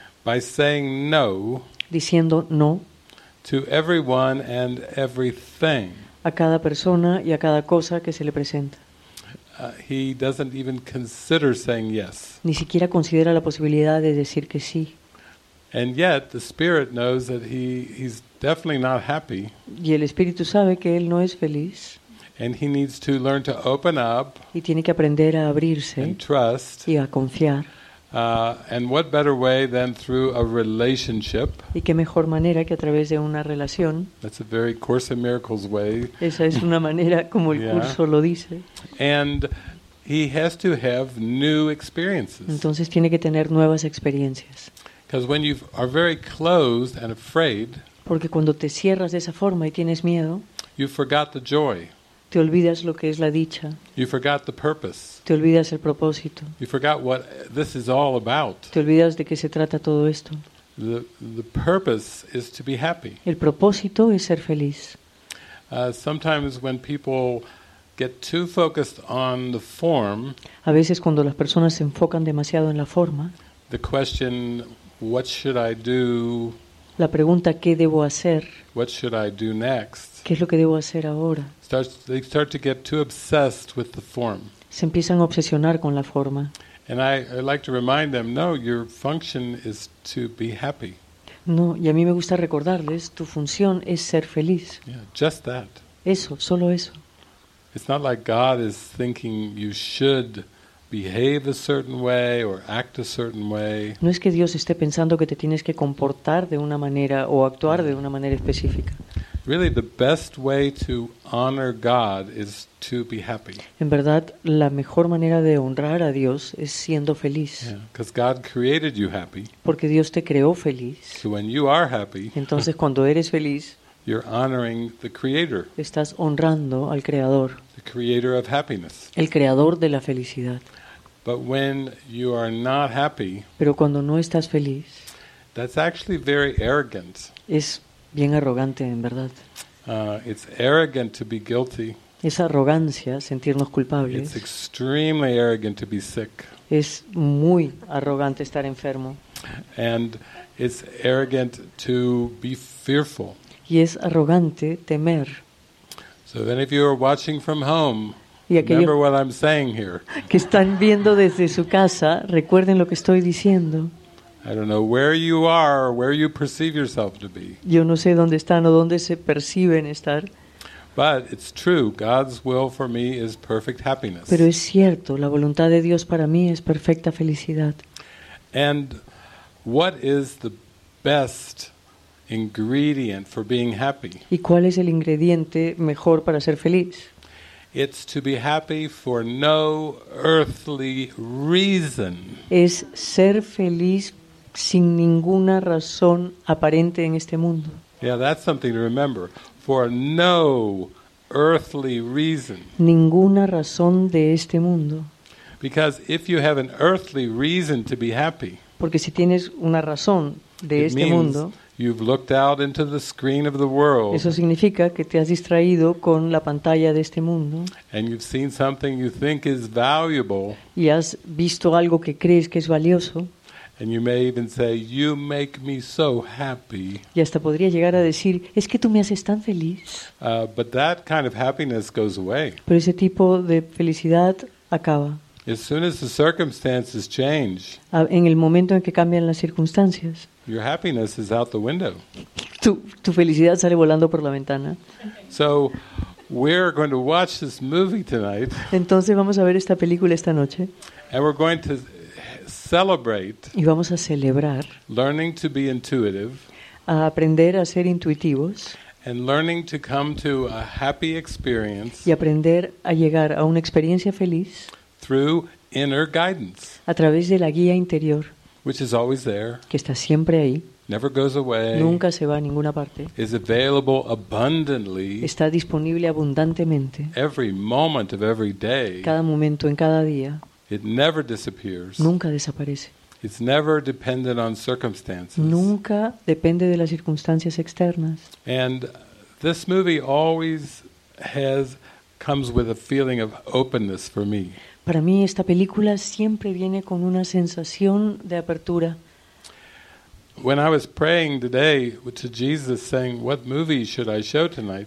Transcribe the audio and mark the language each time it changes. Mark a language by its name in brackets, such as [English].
[English] By saying no. [Spanish] Diciendo no. [English] To everyone and everything. [Spanish] A cada persona y a cada cosa que se le presenta. [English] He doesn't even consider saying yes. [Spanish] Ni siquiera considera la posibilidad de decir que sí. [English] And yet the spirit knows that he's definitely not happy. [Spanish] Y el espíritu sabe que él no es feliz. [English] And he needs to learn to open up. [Spanish] Y tiene que aprender a abrirse. [English] And trust. [Spanish] Y a confiar. [English] And what better way than through a relationship? [Spanish] Y qué mejor manera que a través de una relación. [English] That's a very Course in Miracles way. [Spanish] Esa es una manera como el curso lo dice. [English] And he has to have new experiences. [Spanish] Entonces tiene que tener nuevas experiencias. [English] Because when you are very closed and afraid, [Spanish] porque cuando te cierras de esa forma y tienes miedo, [English] you forgot the joy. [Spanish] Te olvidas lo que es la dicha. [English] You forgot the purpose. [Spanish] Te olvidas el propósito. [English] You forgot what this is all about. [Spanish] Te olvidas de qué se trata todo esto. [English] The purpose is to be happy. [Spanish] El propósito es ser feliz. [English] Sometimes when people get too focused on the form, [Spanish] a veces cuando las personas se enfocan demasiado en la forma, [English] the question, what should I do? [Spanish] La pregunta, ¿qué debo hacer? [English] What should I do next? [Spanish] ¿Qué es lo que debo hacer ahora? [English] They start to get too obsessed with the form. [Spanish] Se empiezan a obsesionar con la forma. [English] And I like to remind them, no, your function is to be happy. [Spanish] No, y a mí me gusta recordarles, tu función es ser feliz. [English] Yeah, just that. [Spanish] Eso, solo eso. [English] It's not like God is thinking you should behave a certain way or act a certain way. [Spanish] No es que Dios esté pensando que te tienes que comportar de una manera o actuar de una manera específica. [English] Really, the best way to honor God is to be happy. [Spanish] En verdad, la mejor manera de honrar a Dios es siendo feliz. [English] Because God created you happy. [Spanish] Porque Dios te creó feliz. [English] So when you are happy, [Spanish] entonces cuando eres feliz, [English] you're honoring the Creator. [Spanish] Estás honrando al Creador. [English] The Creator of happiness. [Spanish] El Creador de la felicidad. [English] But when you are not happy, [Spanish] pero cuando no estás feliz, [English] that's actually very arrogant. [Spanish] Es bien arrogante, en verdad. [English] It's arrogant to be guilty. [Spanish] Es arrogancia sentirnos culpables. [English] It's extremely arrogant to be sick. [Spanish] Es muy arrogante estar enfermo. [English] And it's arrogant to be fearful. [Spanish] Y es arrogante temer. [English] So then if you are watching from home, remember what I'm saying here. [Spanish] Que están viendo desde su casa, recuerden lo que estoy diciendo. [English] I don't know where you are, or where you perceive yourself to be. [Spanish] Yo no sé dónde están o dónde se perciben estar. [English] But it's true, God's will for me is perfect happiness. [Spanish] Pero es cierto, la voluntad de Dios para mí es perfecta felicidad. [English] And what is the best ingredient for being happy? [Spanish] ¿Y cuál es el ingrediente mejor para ser feliz? [English] It's to be happy for no earthly reason. [Spanish] Es ser feliz sin ninguna razón aparente en este mundo. [English] Yeah, that's something to remember. For no earthly reason. [Spanish] Ninguna razón de este mundo. [English] Because if you have an earthly reason to be happy. [Spanish] Porque si tienes una razón de este mundo. [English] You've looked out into the screen of the world. [Spanish] Eso significa que te has distraído con la pantalla de este mundo. [English] And you've seen something you think is valuable. [Spanish] Y has visto algo que crees que es valioso. [English] And you may even say, "You make me so happy." [Spanish] Y hasta podría llegar a decir, "Es que tú me haces tan feliz." [English] But that kind of happiness goes away. [Spanish] Pero ese tipo de felicidad acaba. [English] As soon as the circumstances change. [Spanish] En el momento en que cambian las circunstancias. [English] Your happiness is out the window. [Spanish] Tu felicidad sale volando por la ventana. [English] So, we're going to watch this movie tonight. [Spanish] Entonces vamos a ver esta película esta noche. [English] And we're going to celebrate. [Spanish] Y vamos a celebrar. [English] Learning to be intuitive. [Spanish] A aprender a ser intuitivos. [English] And learning to come to a happy experience. [Spanish] Y aprender a llegar a una experiencia feliz. [English] Through inner guidance. [Spanish] A través de la guía interior. [English] Which is always there. [Spanish] Que está siempre ahí. [English] Never goes away. [Spanish] Nunca se va a ninguna parte. [English] Is available abundantly. [Spanish] Está disponible abundantemente. [English] Every moment of every day. [Spanish] Cada momento en cada día. [English] It never disappears. [Spanish] Nunca desaparece. [English] It's never dependent on circumstances. [Spanish] Nunca depende de las circunstancias externas. [English] And this movie always comes with a feeling of openness for me. [Spanish] Para mí esta película siempre viene con una sensación de apertura. [English] When I was praying today to Jesus saying what movie should I show tonight?